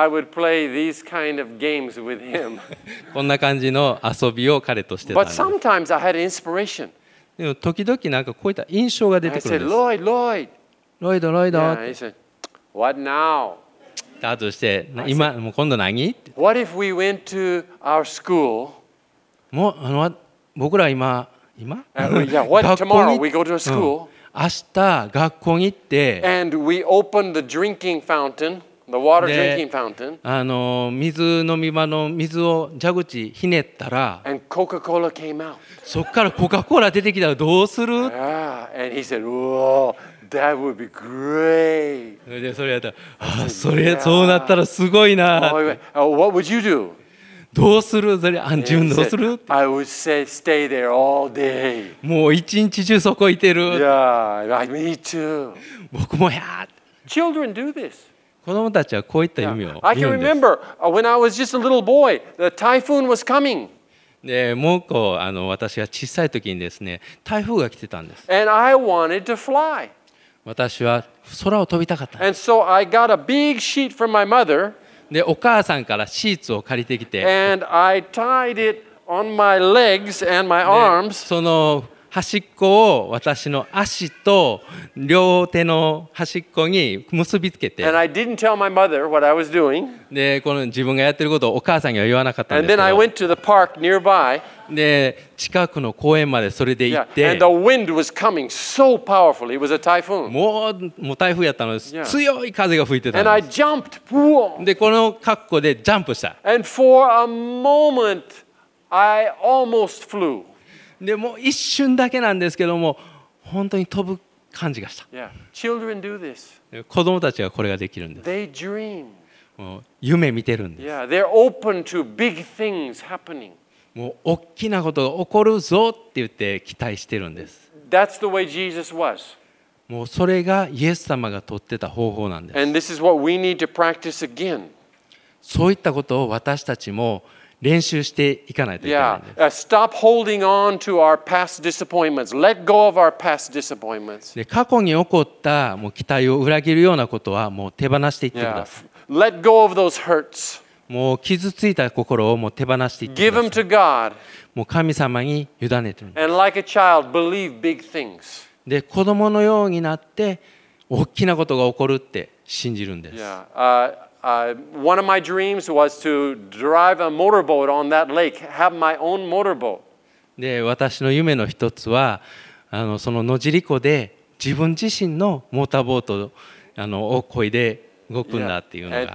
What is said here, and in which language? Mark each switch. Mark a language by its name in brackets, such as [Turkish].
[English] I would play these kind of games with him. [Japanese] こんな感じの遊びを彼としてたんです。 [English] But sometimes I had inspiration. [Japanese] でも時々なんかこういった印象が出てくるんです。 [English] I said, Lloyd, Lloyd. Lloyd, Lloyd. Yeah, he said, What now? [Japanese] だとして、今もう今度何？ [English] What if we went to our school? [Japanese] もう僕ら今、今？ [English] Yeah, what tomorrow we go to a school? [Japanese] 明日学校に行って、 [English] And we open the drinking fountain, the water drinking fountain. [Japanese] 水飲み場の水を蛇口ひねったら、 [English] And Coca-Cola came out. [Japanese] そっからコカコーラ出てきたらどうする？ [English] Yeah. And he said, "Whoa, that would be great." [Japanese] それでそれやったら、ああそれ、yeah. そうなったらすごいな。 [English] What would you do? [Japanese] どうするそれ、あん自分どうする [English] said, I would say, stay there all day. [Japanese] もう一日中そこいてる。 [English] Yeah, me too. [Japanese] 僕もや。 [English] Children do this. [Japanese] 子供たちはこういった夢を見るんです。 [English] I can remember when I was just a little boy, the typhoon was coming. [Japanese] でもうこう私が小さい時にですね、台風が来てたんです。 [English] And I wanted to fly. [Japanese] 私は空を飛びたかった。 [English] And so I got a big sheet from my mother, [Japanese] でお母さんからシーツを借りてきて [English] and I tied it on my legs and my arms, [Japanese] その端っこを私の足と両手の端っこに結びつけて [English] and I didn't tell my mother what I was doing, [Japanese] でこの自分がやってることをお母さんには言わなかったんです [English] けど and then I went to the park nearby, [Japanese] で近くの公園までそれで行って、 [English] yeah. And the wind was coming so powerfully. It was a typhoon. [Japanese] もう台風やったのです、yeah. 強い風が吹いてたんです。 [English] And I jumped. [Japanese] でこの格好でジャンプした。 [English] And for a moment, I almost flew. [Japanese] でもう一瞬だけなんですけども本当に飛ぶ感じがした。 [English] Yeah. Children do this. [Japanese] 子供たちはこれができるんです。 [English] They dream. [Japanese] もう夢見てるんです。 [English] Yeah. They're open to big things happening. [Japanese] もう大きなことが起こるぞって言って期待してるんです。 [English] That's the way Jesus was. [Japanese] もうそれがイエス様が取ってた方法なんです。 [English] And this is what we need to practice again. [Japanese] そういったことを私たちも練習していかないといけないんです。 [English] Yeah. Stop holding on to our past disappointments. Let go of our past disappointments. [Japanese] で過去に起こったもう期待を裏切るようなことはもう手放していってください。 [English] Yeah. Let go of those hurts. [Japanese] もう傷ついた心をもう手放していってください。もう神様に委ねてるんです。 [English] And like a child, believe big things. [Japanese] で、子供のようになって大きなことが起こるって信じるんです。 [English] Yeah. One of my dreams was to drive a motorboat on that lake, have my own motorboat. [Japanese] で、私の夢の一つは、その野尻湖で自分自身のモーターボートを漕いで動くんだっていうのが。